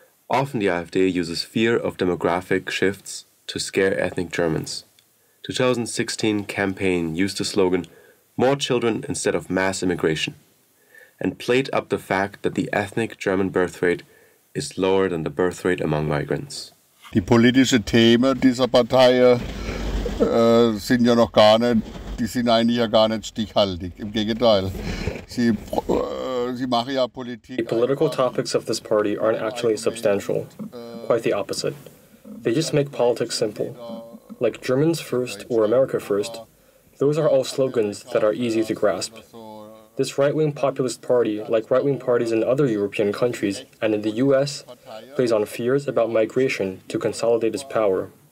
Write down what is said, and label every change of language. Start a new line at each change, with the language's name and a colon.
English: Often the AfD uses fear of demographic shifts to scare ethnic Germans. 2016 campaign used the slogan, "More children instead of mass immigration," and played up the fact that the ethnic German birth rate is lower than the birth rate among migrants.
German: Die politische Themen dieser Partei sind ja noch gar nicht, die sind eigentlich ja gar nicht stichhaltig. Im Gegenteil, sie machen ja Politik.
English: The political topics of this party aren't actually substantial, quite the opposite. They just make politics simple. Like Germans First or America First, those are all slogans that are easy to grasp. This right-wing populist party, like right-wing parties in other European countries and in the US, plays on fears about migration to consolidate its power.